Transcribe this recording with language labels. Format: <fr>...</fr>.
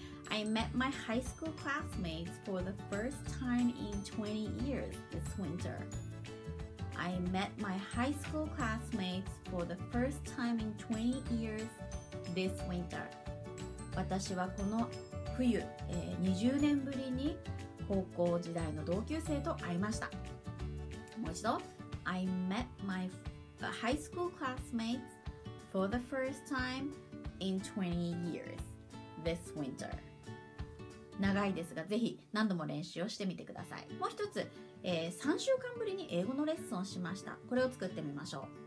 <en>I met my high school classmates for the first time in 20 years this winter I met my high school classmates for the first time in 20 years this winter</en> <ja>私はこの冬、20年ぶりに高校時代の同級生と会いました。もう一度</ja> <en>I met my high school classmates for the first time in 20 years this winter</en> <ja>長いですがぜひ何度も練習をしてみてください。もう一つ、3週間ぶりに英語のレッスンをしました。これを作ってみましょう。</ja>